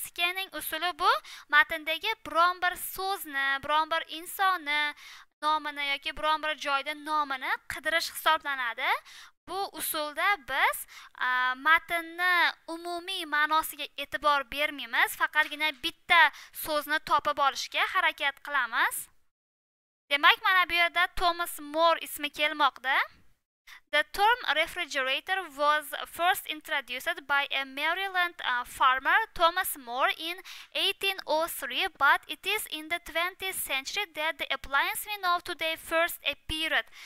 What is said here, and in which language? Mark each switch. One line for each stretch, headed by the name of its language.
Uzbek: Scanning usuli bu matndagi biron bir so'zni, biron bir insonni nomini yoki biron bir joyda nomini qidirish hisoblanadi. Bu usulda biz matnni umumiy ma'nosiga e'tibor bermaymiz, faqatgina bitta so'zni topib olishga harakat qilamiz. Demak, mana bu yerda Thomas More ismi kelmoqda.
English: The term refrigerator was first introduced by a Maryland farmer, Thomas More, in 1803, but it is in the 20th century that the appliance we know today first appeared.